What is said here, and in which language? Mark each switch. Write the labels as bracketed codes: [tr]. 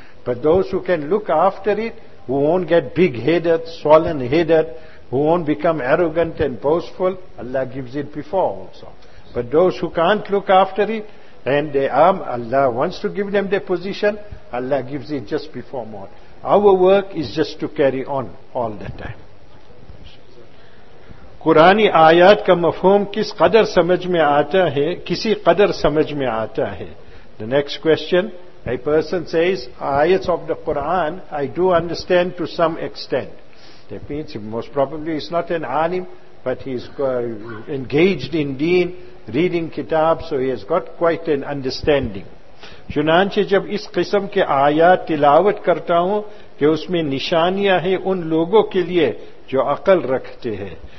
[en] But those who can look after it, who won't get big-headed, swollen-headed, who won't become arrogant and boastful, Allah gives it before also. But those who can't look after it, and they are, Allah wants to give them their position, Allah gives it just before mort. Our work is just to carry on all the time. [ur] قرآنی آیات کا مفہوم کس قدر سمجھ میں آتا ہے کسی قدر سمجھ میں آتا ہے. [en] The next question, a person says, ayats of the Quran, I do understand to some extent. That means most probably he's not an alim, but he's engaged in deen, reading kitab, so he has got quite an understanding. [ur] چنانچہ جب اس قسم کے آیات تلاوت کرتا ہوں کہ اس میں نشانیاں ہیں ان لوگوں کے لیے جو عقل رکھتے ہیں.